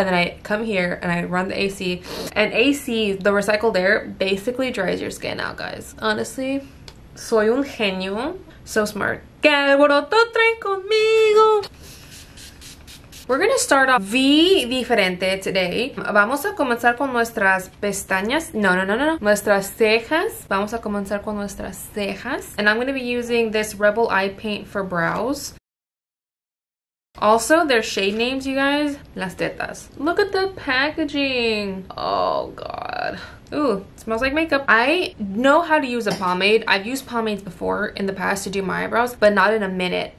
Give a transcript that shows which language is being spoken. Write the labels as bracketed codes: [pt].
[en] And then I come here and I run the AC. And AC, the recycled air, basically dries your skin out, guys. Honestly. [es] Soy un genio. [en] So smart. [es] Que alboroto traen conmigo. [en] We're gonna start off diferente today. [es] Vamos a comenzar con nuestras pestañas. No. Nuestras cejas. Vamos a comenzar con nuestras cejas. [en] And I'm gonna be using this Rebel Eye Paint for brows. Also, their shade names, you guys. [es] Las tetas. [en] Look at the packaging. Oh, God. Ooh, smells like makeup. I know how to use a pomade. I've used pomades before in the past to do my eyebrows, but not in a minute.